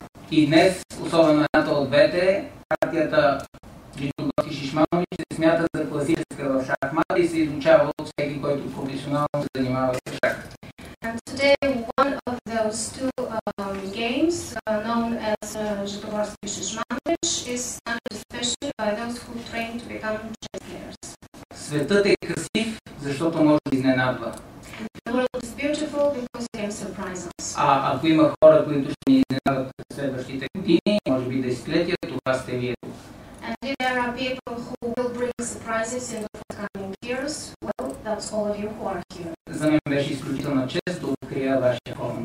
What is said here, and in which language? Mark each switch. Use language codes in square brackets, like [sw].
[bg] И днес, особено едната от двете, партията Житогорски-Шишманович се смята за класическа в шахмата и се изучава от всеки, който професионално се занимава с шах. [en] Today, one of those two games, known as Житогорски-Шишманович, is studied especially by those who train to become chess players. [bg] Светът е красив, защото може да изненадва. [en] The world is beautiful because it can surprise us. [bg] А ако има хора, които ще ни изненадват през следващите години, може би десетилетия, това сте вие. [en] And if there are people who will bring surprises in the forthcoming years, well, that's all of you who are here. [bg] За мен беше изключителна чест да открия вашия форум.